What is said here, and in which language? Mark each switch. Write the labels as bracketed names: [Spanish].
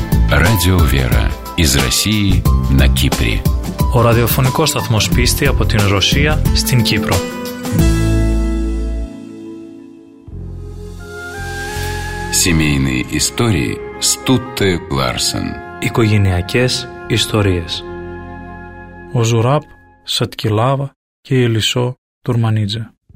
[Russian] Радио Вера из России на Кипре. [Greek] Ο ραδιοφωνικός σταθμός πίστη από την Ρωσία στην Κύπρο. [Russian] Семейные истории Стутте Ларсен. [Greek] Οικογενειακές ιστορίες. Ο Ζουράπ Σατκιλάβα και η Ελισό Τουρμανίτζε.